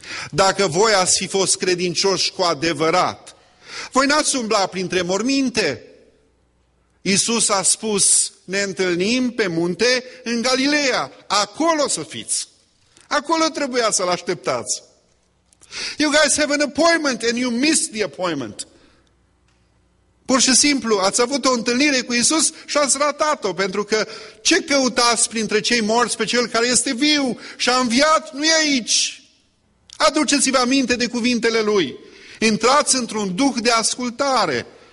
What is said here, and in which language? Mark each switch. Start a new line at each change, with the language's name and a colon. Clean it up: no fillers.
Romanian: Dacă voi ați fi fost credincioși cu adevărat, voi n-ați umbla printre morminte. Iisus a spus, ne întâlnim pe munte în Galileea, acolo să fiți. Acolo trebuia să-L așteptați.
English: You guys have an appointment and you missed the appointment.
Romanian: Pur și simplu, ați avut o întâlnire cu Iisus și ați ratat-o, pentru că ce căutați printre cei morți pe Cel care este viu și a înviat, nu e aici. Aduceți-vă aminte de cuvintele Lui. Intrați într-un duh de ascultare.